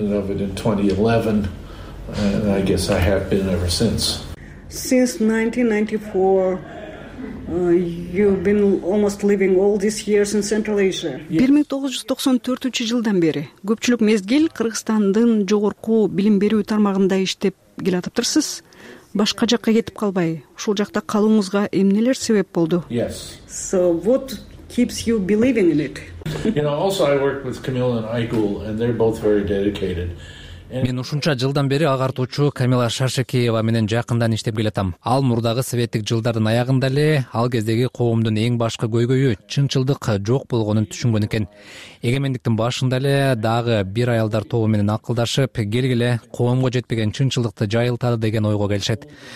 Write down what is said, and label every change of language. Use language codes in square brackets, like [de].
[en] And I guess I have been ever since. Since 1994, you've been almost living all these years in Central Asia. [ky] 1994 жылдан бери көпчүлүк мезгил Кыргызстандын жогорку билим берүү тармагында иштеп келатыпсыз. Башка жакка кетип калбай, ушул жакта калууңузга эмнелер себеп болду? [en] Yes. So what keeps you believing in it? You know, also I work with Camille and Aygul and they're both very dedicated. [ky] Мен ушунча жылдан бери агартуучу Камила Шашекеева менен жакындан иштеп келатам. Ал мурдагы советтик жылдардын аягында эле ал кездеги коомдун эң башкы көйгөйү чынчылдык жок болгонун түшүнгөн экен. Эгемендиктин башында эле дагы бир аялдар тобу менен акылдашып, келгиле коомго жетпеген чынчылдыкты жайылтады деген ойго келишет.